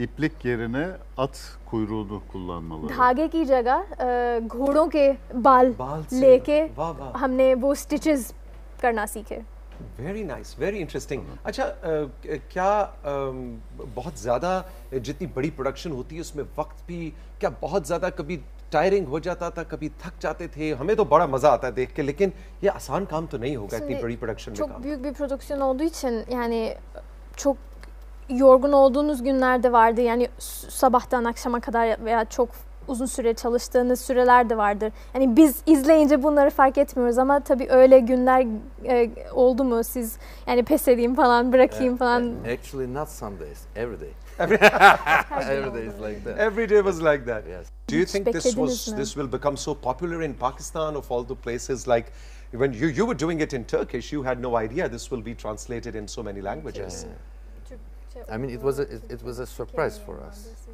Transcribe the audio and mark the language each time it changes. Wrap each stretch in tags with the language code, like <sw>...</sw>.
<tr>इप्लिक yerine at kuyruğunu kullanmaları.</tr> <hi>धागे की जगह घोड़ों के बाल लेके हमने वो स्टिचेस करना सीखे।</hi> <en>Very nice, very interesting.</en> <hi>अच्छा क्या बहुत ज़्यादा जितनी बड़ी प्रोडक्शन होती है उसमें वक्त भी क्या बहुत ज़्यादा कभी टायरिंग हो जाता था, कभी थक जाते थे? हमें तो बड़ा मज़ा आता है देख के, लेकिन ये आसान काम तो नहीं होगा इतनी बड़ी प्रोडक्शन में।</hi> <tr>Büyük bir prodüksiyon olduğu için yani çok yorgun olduğunuz günler de vardı yani sabahtan akşama kadar veya çok uzun süre çalıştığınız süreler de vardır. Yani biz izleyince bunları fark etmiyoruz ama tabii öyle günler oldu mu siz yani pes edeyim falan bırakayım falan.</tr> <en>Actually not some days, every day. Every day is like that. Every day was like that. Yes. Do you think this will become so popular in Pakistan of all the places? Like when you were doing it in Turkish, you had no idea this will be translated in so many languages. Yeah. I mean it was a surprise for us.</en>